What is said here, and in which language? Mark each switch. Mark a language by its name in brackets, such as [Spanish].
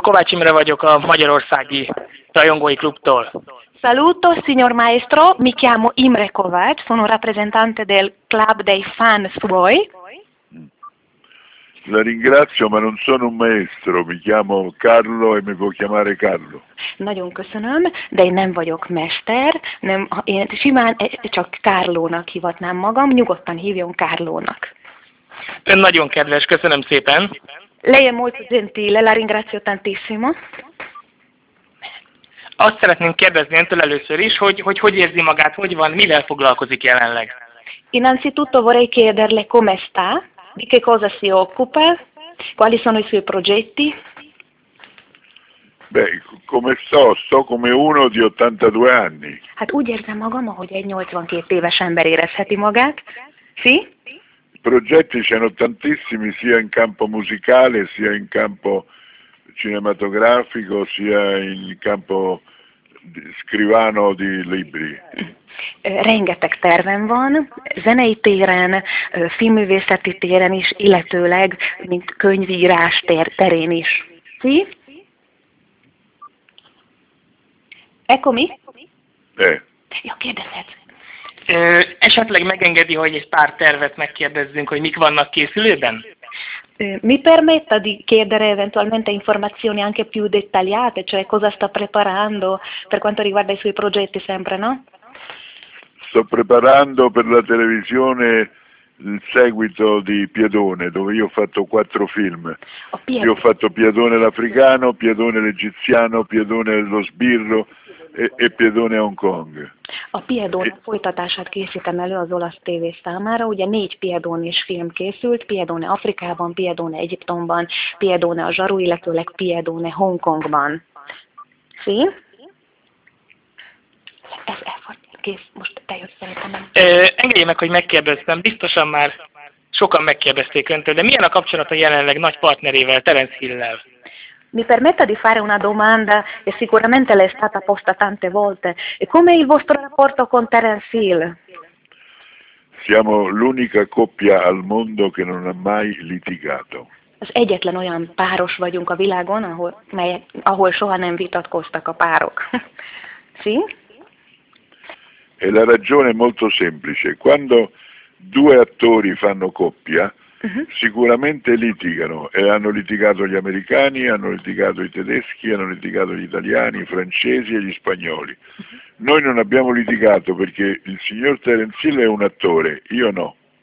[Hungarian] Kovács Imre vagyok a Magyarországi Rajongói Klubtól. [Italian] Saluto, signor maestro. Mi chiamo Imre Kovács. Sono rappresentante del Club dei Fans suoi. La ringrazio, ma non sono un maestro. Mi chiamo Carlo e mi può chiamare Carlo. [Hungarian] Nagyon köszönöm, de én nem vagyok mester. Nem, én simán csak Carlónak hivatnám magam. Nyugodtan hívjon Carlónak. Ön nagyon kedves, köszönöm szépen. [Italian] Lei è molto gentile, la ringrazio tantissimo. [Hungarian] Azt szeretném kérdezni öntől először is, hogy érzi magát, hogy van, mivel foglalkozik jelenleg? [Italian] Innanzitutto vorrei chiederle come sta, di che cosa si occupa, quali sono i suoi progetti. Beh, come sto? Sto come uno di 82 anni. [Hungarian] Hát úgy érzem magam, ahogy egy 82 éves ember érezheti magát. [Italian] Sì? Progetti ce n'ho tantissimi, sia in campo musicale, sia in campo cinematografico, sia in campo di scrivano di libri. [Hungarian] Rengeteg tervem van, zenei téren, filmművészeti téren is, illetőleg, mint könyvírás terén is. [Italian] Sì? Eccomi? [Hungarian] Jó, kérdezhetsz. Esetleg megengedi, hogy egy pár tervet megkérdezzünk, hogy mik vannak készülőben? [Italian] Mi permetta di chiedere eventualmente informazioni anche più dettagliate, cioè cosa sta preparando per quanto riguarda i suoi progetti sempre, no? Sto preparando per la televisione il seguito di Piedone, dove io ho fatto 4 film. Io ho fatto Piedone l'africano, Piedone l'egiziano, Piedone lo sbirro e Piedone Hong Kong. [Hungarian] A Piedone folytatását készítem elő az olasz tévé számára, ugye 4 Piedone is film készült, Piedone Afrikában, Piedone Egyiptomban, Piedone a zsaru, illetőleg Piedone Hongkongban. Sí? Ez elfogy, kész, most te jössz szerintem. Engedje meg, hogy megkérdeztem, biztosan már sokan megkérdezték öntől, de milyen a kapcsolata jelenleg nagy partnerével, Terence Hill-lel? [Italian] Mi permetta di fare una domanda e sicuramente l'è stata posta tante volte. E come è il vostro rapporto con Terence Hill? Siamo l'unica coppia al mondo che non ha mai litigato. [Hungarian] Az egyetlen olyan páros vagyunk a világon, ahol soha nem vitatkoztak a párok. [Italian] Sì? E la ragione è molto semplice. Quando due attori fanno coppia, sicuramente litigano e hanno litigato gli americani, hanno litigato i tedeschi, hanno litigato gli italiani, i francesi e gli spagnoli. Noi non abbiamo litigato perché il signor Terence Hill è un attore, io no.